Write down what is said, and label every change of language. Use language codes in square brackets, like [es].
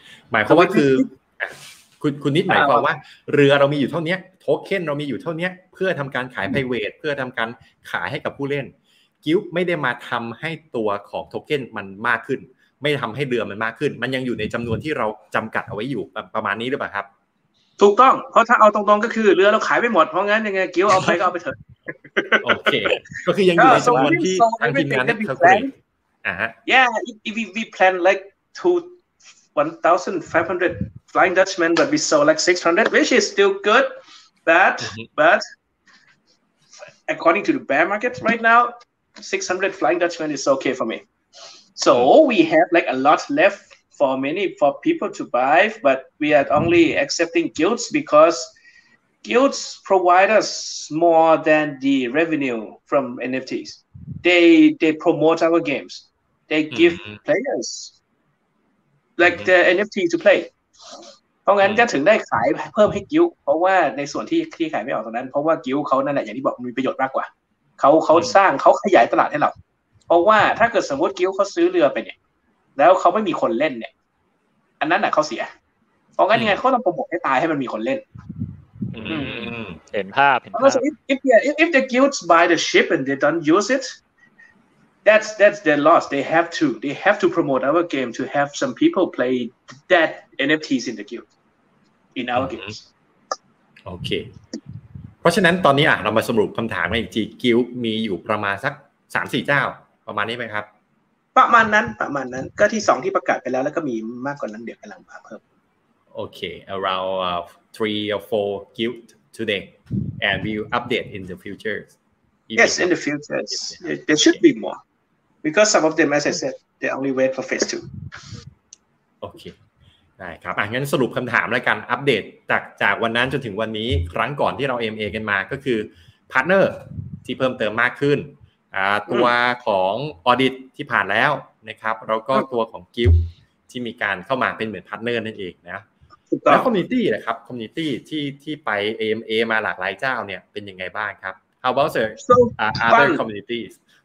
[th] หมายความว่าคือคุณนิดหมายความว่าเรือเรามีอยู่เท่านี้โทเค็นเรามีอยู่เท่านี้เพื่อทำการขายไพรเวทเพื่อทำการขายให้กับผู้เล่นกิลด์ไม่ได้มาทำให้ตัวของโทเค็นมันมากขึ้นไม่ทำให้เรือมันมากขึ้นมันยังอยู่ในจำนวนที่เราจำกัดเอาไว้อยู่ประมาณนี้หรือเปล่าครับ ถูกต้องเพราะถ้าเอาตรงๆก็คือเรือเราขายไปหมดเพราะงั้นยังไงกิลด์เอาไปก็เอาไปเถอะ โอเคก็คือยังอยู่ในจำนวนที่ทางทีมงานคาลคูเลต [en] If we plan like to 1,500Flying Dutchman, but we sold like 600, which is still good, but according to the bear market right now, 600 Flying Dutchman is okay for me. So we have like a lot left for people to buy, but we are only accepting guilds because guilds provide us more than the revenue from NFTs. They promote our games. They give players like the NFT to play. [th] พราะงั้นก็ถึงได้ขายเพิ่มให้กิ้วเพราะว่าในส่วนที่ขายไม่ออกตรงนั้นเพราะว่ากิ้วเขานั่นแหละอย่างที่บอกมีประโยชน์มากกว่าเขาสร้างเขาขยายตลาดให้เราเพราะว่าถ้าเกิดสมมติกิ้วเขาซื้อเรือไปเนี่ยแล้วเขาไม่มีคนเล่นเนี่ยอันนั้นแหละเขาเสียเพราะงั้นยังไงเขาต้องโปรโมทให้ตายให้มันมีคนเล่น เห็นภาพเห็นภาพ [en] if the guilds buy the ship and they don't use itThat's their loss. They have to promote our game to have some people play that NFTs in the guild in our games. [th] โอเคเพราะฉะนั้นตอนนี้อ่ะเรามาสรุปคำถามกันอีกที guild มีอยู่ประมาณสัก 3-4 เจ้าประมาณนี้ไหมครับ ประมาณนั้นก็ที่2ที่ประกาศไปแล้วแล้วก็มีมากกว่านั้นเดี๋ยวกำลังมาเพิ่ม [en] โอเค around 3 or 4 guild today and we'll update in the future. Yes, in the future. There should be moreBecause some of them, as I said, they only wait for phase 2. [th] โอเคได้ครับงั้นสรุปคำถามแล้วกันอัปเดตจากวันนั้นจนถึงวันนี้ครั้งก่อนที่เรา MA กันมาก็คือพาร์ทเนอร์ที่เพิ่มเติมมากขึ้นตัวของออดิตที่ผ่านแล้วนะครับแล้วก็ตัวของกิฟที่มีการเข้ามาเป็นเหมือนพาร์ทเนอร์นั่นเองนะแล้วคอมมูนิตี้นะครับคอมมูนิตี้ที่ไป AMA มาหลากหลายเจ้าเนี่ยเป็นยังไงบ้างครับ [en] How about the other communities